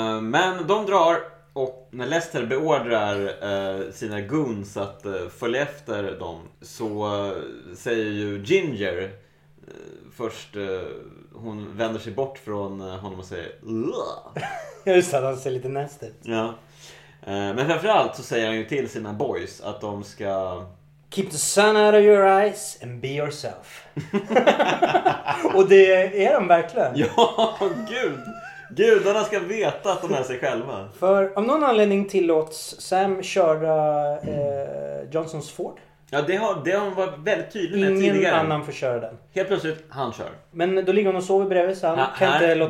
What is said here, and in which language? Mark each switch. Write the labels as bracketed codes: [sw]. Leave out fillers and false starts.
[sv] Men de drar... Och när Lester beordrar sina goons att följa efter dem, så säger ju Ginger först, hon vänder sig bort från honom och säger jag sa att han ser lite nästigt. Ja. Men framförallt så säger han ju till sina boys att de ska [en] Keep the sun out of your eyes and be yourself. [sv] Och det är de verkligen. Ja, gud. Gudarna ska veta att de är sig själva. För av någon anledning tillåts Sam köra Johnsons Ford. Ja, det har varit väldigt tydligt med ingen tidigare. Ingen annan får köra den. Helt plötsligt, han kör. Men då ligger hon och sover bredvid, så han kan inte låta